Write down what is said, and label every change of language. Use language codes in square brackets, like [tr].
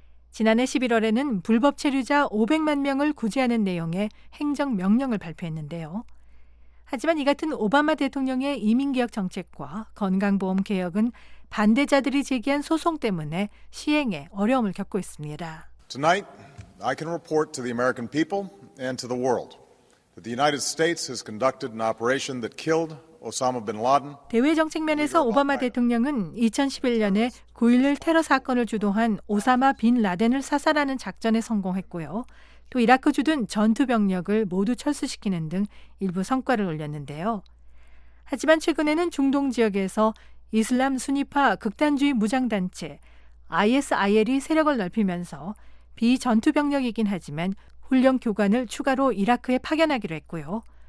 [ko] 지난해 11월에는 불법 체류자 500만 명을 구제하는 내용의 행정명령을 발표했는데요. 하지만 이 같은 오바마 대통령의 이민개혁 정책과 건강보험 개혁은 반대자들이 제기한 소송 때문에 시행에 어려움을 겪고 있습니다. [en] Tonight, I can report to the American people and to the world. The United States has conducted an operation that killed Osama bin Laden. [ko] 대외 정책 면에서 오바마 대통령은 2011년에 9.11 테러 사건을 주도한 오사마 빈 라덴을 사살하는 작전에 성공했고요. 또 이라크 주둔 전투 병력을 모두 철수시키는 등 일부 성과를 올렸는데요. 하지만 최근에는 중동 지역에서 이슬람 순위파 극단주의 무장단체 ISIL이 세력을 넓히면서 비전투 병력이긴 하지만 훈련 교관을 추가로 이라크에 파견하기로 했고요.